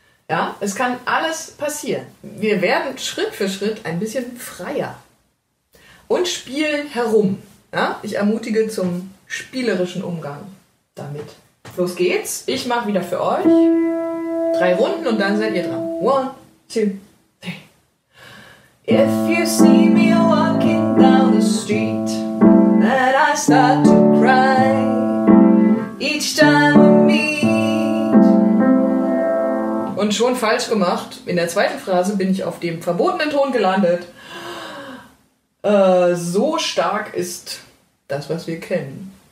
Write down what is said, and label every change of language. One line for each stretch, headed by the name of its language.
German: Ja, es kann alles passieren. Wir werden Schritt für Schritt ein bisschen freier. Und spielen herum. Ja, ich ermutige zum spielerischen Umgang damit. Los geht's. Ich mache wieder für euch 3 Runden und dann seid ihr dran. 1, 2, 3.
English: If you see me walking down the street and I start to cry each time we meet.
German: Und schon falsch gemacht. In der zweiten Phrase bin ich auf dem verbotenen Ton gelandet. So stark ist das, was wir kennen.